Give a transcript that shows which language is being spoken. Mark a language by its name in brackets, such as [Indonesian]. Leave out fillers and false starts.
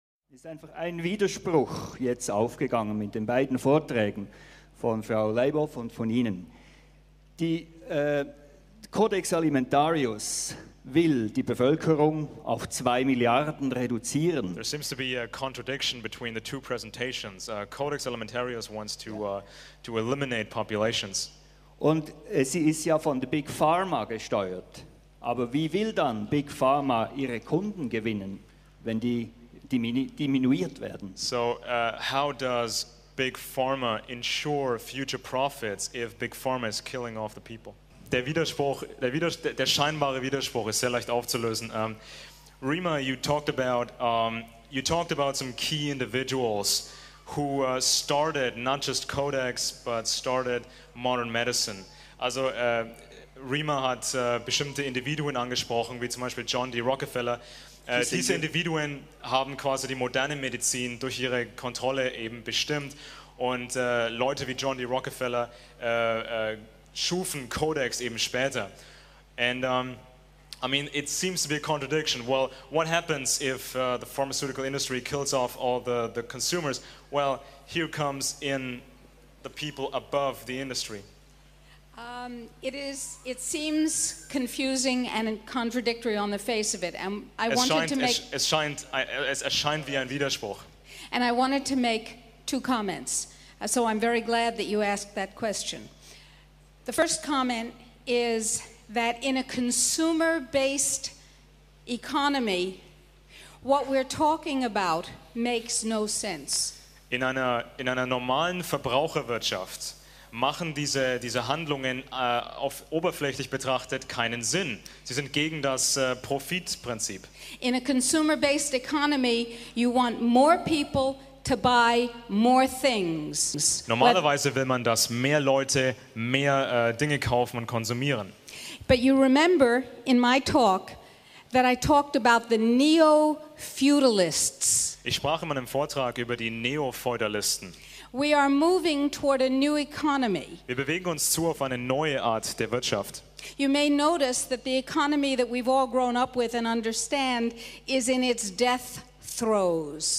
[German] Ist einfach ein Widerspruch jetzt aufgegangen mit den beiden Vorträgen von Frau Leibhoff und von Ihnen. Die Codex Alimentarius will die Bevölkerung auf 2 Milliarden reduzieren. [English] There seems to be a contradiction between the two presentations. Codex Alimentarius wants to eliminate populations. [German] Und sie ist ja von der Big Pharma gesteuert. Aber wie will dann Big Pharma ihre Kunden gewinnen, wenn die diminuiert werden? [English] So, how does Big Pharma ensure future profits if Big Pharma is killing off the people? [German] Der scheinbare Widerspruch ist sehr leicht aufzulösen. [English] Rima, you talked about some key individuals who started not just Codex, but started modern medicine. [German] Also Rima hat bestimmte Individuen angesprochen, wie zum Beispiel John D. Rockefeller. Diese Individuen haben quasi die moderne Medizin durch ihre Kontrolle eben bestimmt, und Leute wie John D. Rockefeller schufen Codex eben später. [English] And I mean, it seems to be a contradiction. Well, what happens if the pharmaceutical industry kills off all the consumers? Well, here comes in the people above the industry. It seems confusing and contradictory on the face of it, and [German] es erscheint wie ein Widerspruch. [English] And I wanted to make two comments. So I'm very glad that you asked that question. The first comment is that in a consumer-based economy, what we're talking about makes no sense. [German] In einer normalen Verbraucherwirtschaft machen diese Handlungen auf oberflächlich betrachtet keinen Sinn. Sie sind gegen das Profitprinzip. [English] In a consumer-based economy, you want more people to buy more things. [German] Normalerweise will man, dass mehr Leute mehr Dinge kaufen und konsumieren. [English] But you remember in my talk that I talked about the neo-feudalists. [German] Ich sprach in meinem Vortrag über die Neo-Feudalisten. [English] We are moving toward a new economy. [German] Wir bewegen uns zu auf eine neue Art der Wirtschaft. [English] You may notice that the economy that we've all grown up with and understand is in its death throes.